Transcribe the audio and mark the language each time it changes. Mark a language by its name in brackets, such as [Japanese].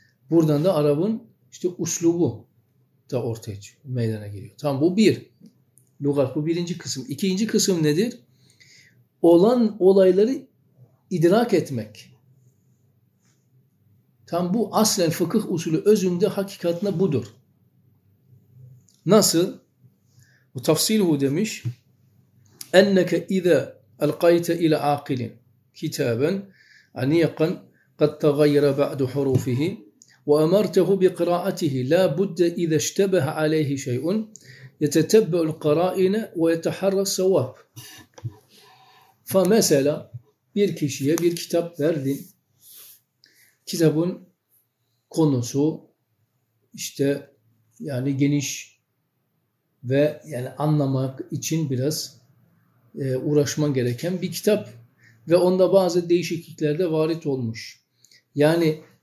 [Turkish] Buradan da Arap'ın işte uslubu da ortaya çıkıyor, meydana geliyor. Tam bu bir. Lugat bu birinci kısım. İkinci kısım nedir? Olan olayları idrak etmek. Tam bu aslen fıkıh usulü özünde hakikatına budur. Nasıl? [Arabic] وتفصيله [Turkish] demiş [Arabic] أنك إذا ألقيت إلى عاقل كتابا عنيقا قد تغير بعد حروفه وأمرته بقراءته لا بد إذا اشتبه عليه شيء يتتبع القرائن ويتحرى الصواب. فمثلا [Turkish] bir kişiye bir kitap verdin. Kitabın konusu işte yani geniş ve yani anlamak için biraz uğraşman gereken bir kitap ve onda bazı değişiklikler de varit olmuş. Yani